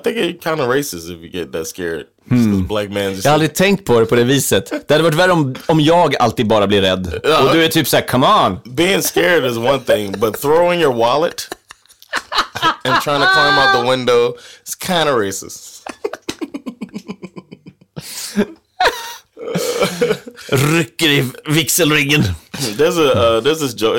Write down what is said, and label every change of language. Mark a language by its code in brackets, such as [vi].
[en] I think it's kind of racist if you get that scared. Hmm. Black man just... [sv] Jag har aldrig tänkt på det på det viset. Det hade varit värre om jag alltid bara blir rädd. Och du är typ så här, [en] come on. Being scared is one thing, but throwing your wallet and trying to climb out the window is kind of racist. [sv] Rycker i vixelringen. [en] There's this joke.